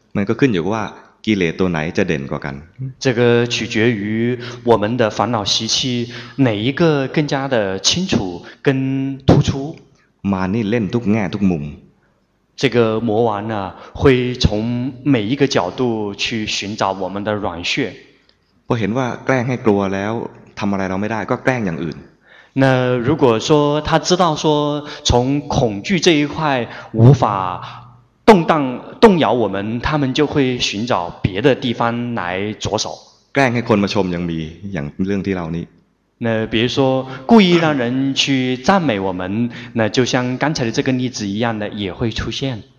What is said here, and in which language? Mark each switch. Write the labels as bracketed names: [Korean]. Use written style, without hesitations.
[Thai] มันก็ขึ้นอยู่ว่ากิเลสตัวไหนจะเด่นกว่ากัน [Chinese] 这个取决于我们的烦恼习气哪一个更加的清楚跟突出 [Thai] มานี่เล่นทุกแง่ทุกมุม [Chinese] 这个魔王呢会从每一个角度去寻找我们的软穴 [Thai] พอเห็นว่าแกล้งให้กลัวแล้วทำอะไรเราไม่ได้ก็แกล้งอย่างอื่น [Chinese] 那如果说他知道说从恐惧这一块无法动摇我们他们就会寻找别的地方来着手 [Thai] แกล้งให้คนมาชมยังมีอย่างเรื่องที่เรานี้ [Chinese] 那比如说故意让人去赞美我们那就像刚才的这个例子一样的也会出现